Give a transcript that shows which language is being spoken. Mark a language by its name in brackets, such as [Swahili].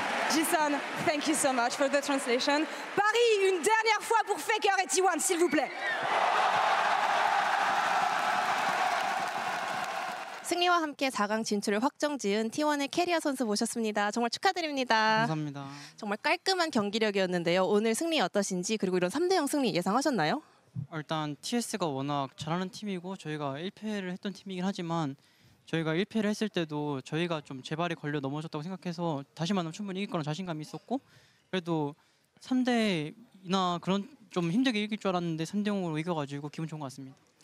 [English] Jason, thank you so much for the translation. [French] Paris, une dernière fois pour Faker et T1, s'il vous plaît. [Korean] 승리와 함께 4강 진출을 확정 지은 T1의 캐리어 선수 모셨습니다. 정말 축하드립니다. 감사합니다. 정말 깔끔한 경기력이었는데요. 오늘 승리 어떠신지, 그리고 이런 3-0 승리 예상하셨나요? 일단 TS가 워낙 잘하는 팀이고 저희가 1패를 했던 팀이긴 하지만 저희가 1패를 했을 때도 저희가 좀 제발이 걸려 넘어졌다고 생각해서 다시 만나면 충분히 이길 거라는 자신감이 있었고 그래도 3-0이나 그런 좀 힘들게 이길 줄 알았는데 3-0으로 이겨가지고 기분 좋은 것 같습니다.